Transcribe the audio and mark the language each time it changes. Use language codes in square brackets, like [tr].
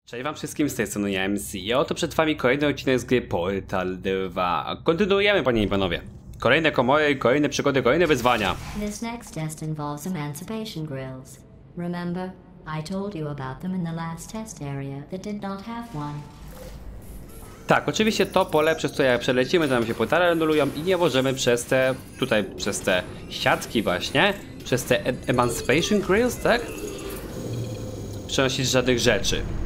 [pl] Cześć wam wszystkim, z tej strony ja MC i oto przed wami kolejny odcinek z gry Portal 2. Kontynuujemy, panie i panowie. Kolejne komory, kolejne przygody, kolejne wyzwania. [en] This next test involves emancipation grills. Remember, I told you about them in the last test area that did not have one. [pl] Tak, oczywiście to pole, przez które przelecimy, to nam się portale rendulują i nie możemy przez te siatki właśnie, przez te emancipation grills, tak? Przenosić żadnych rzeczy.